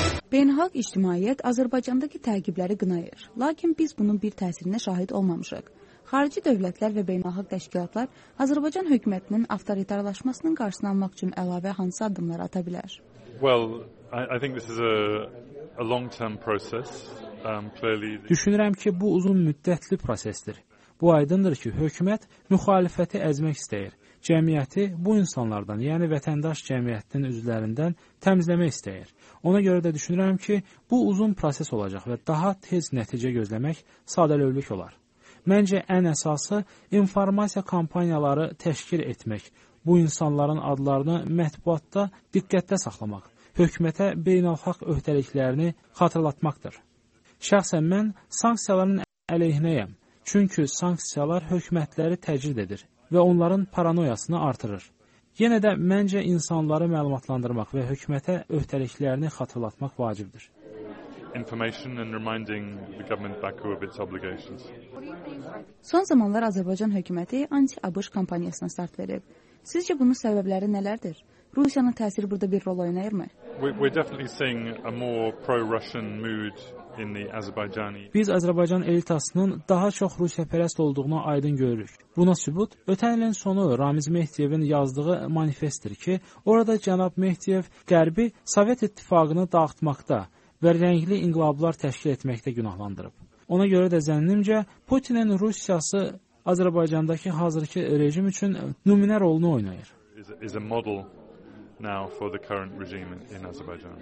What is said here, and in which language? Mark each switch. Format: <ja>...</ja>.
<az>Beynəlxalq ictimaiyyət Azərbaycandakı təqibləri qınayır. Lakin biz bunun bir təsirinə şahid olmamışıq. Xarici dövlətlər və beynəlxalq təşkilatlar Azərbaycan hökumətinin avtoritarlaşmasının qarşısını almaq üçün əlavə hansı addımlar ata bilər?</az> <en>Well, I think this is a long-term process.</en> <az>Düşünürəm ki, bu uzun müddətli prosesdir. Bu aydındır ki, hökumət müxalifəti əzmək istəyir. Cəmiyyəti bu insanlardan, yəni vətəndaş cəmiyyətinin üzvlərindən təmizləmək istəyir. Ona görə də düşünürəm ki, bu uzun proses olacaq və daha tez nəticə gözləmək sadəlövlük olar. Məncə, ən əsası informasiya kampaniyaları təşkil etmək, bu insanların adlarını mətbuatda diqqətdə saxlamaq, hökumətə beynəlxalq öhdəliklərini xatırlatmaqdır. Şəxsən mən sanksiyaların əleyhinəyəm, çünki sanksiyalar hökumətləri təcrid edir və onların paranoyasını artırır. Yenə də məncə insanları məlumatlandırmaq və hökumətə öhdəliklərini xatırlatmaq vacibdir. Son zamanlar Azərbaycan hökuməti anti-ABŞ kampaniyasına start verib. Sizcə bunun səbəbləri nələrdir? Rusiyanın təsiri burada bir rol oynayırmı?</az> <en>We're definitely seeing a more pro-Russian mood in the Azerbaijani.</en> <az>Biz Azərbaycan elitasının daha çox Rusiya pərəst olduğunu aydın görürük. Buna sübut ötən ilin sonu Ramiz Mehdiyevin yazdığı manifestdir ki, orada cənab Mehdiyev Qərbi Sovet İttifaqını dağıtmaqda və rəngli inqilablar təşkil etməkdə günahlandırıb. Ona görə də zənnimcə Putinin Rusiyası Azərbaycandakı hazırki rejim üçün nümunə rolunu oynayır.</az> <en>Is a model now for the current regime in Azerbaijan.</en>